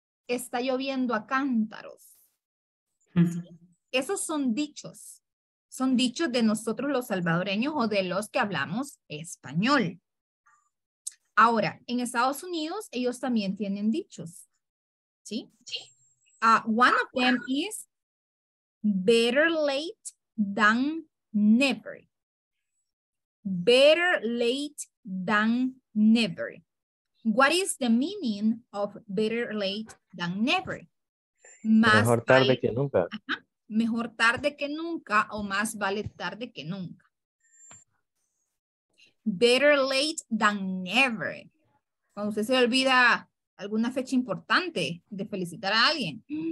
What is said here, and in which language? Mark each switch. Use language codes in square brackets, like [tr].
[es] está lloviendo a cántaros. Esos son dichos. Son dichos de nosotros los salvadoreños o de los que hablamos español. Ahora, en Estados Unidos, ellos también tienen dichos. ¿Sí? [en] One of them is better late than never. Better late than never. What is the meaning of better late than never? [es] Mejor tarde que nunca. Mejor tarde que nunca o más vale tarde que nunca. [en] Better late than never. [es] Cuando usted se olvida alguna fecha importante de felicitar a alguien.